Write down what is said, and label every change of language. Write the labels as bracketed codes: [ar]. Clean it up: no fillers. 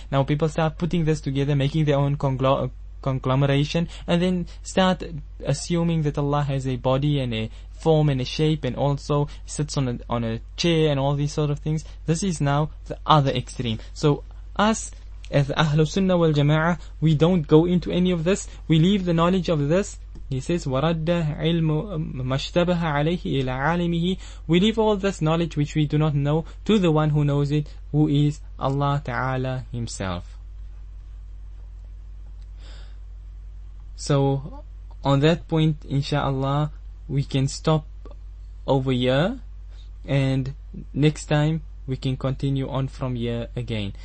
[en] Now people start putting this together, making their own conglomeration, and then start assuming that Allah has a body and a form and a shape, and also sits on a chair and all these sort of things. This is now the other extreme. So us as Ahlu Sunnah wal Jama'ah, we don't go into any of this. We leave the knowledge of this. He says, [ar] وَرَدَّ عِلْمُ مَشْتَبَهَ عَلَيْهِ إِلَىٰ عَالِمِهِ. [en] We leave all this knowledge which we do not know to the one who knows it, who is Allah Ta'ala Himself. So on that point, inshallah, we can stop over here, and next time we can continue on from here again.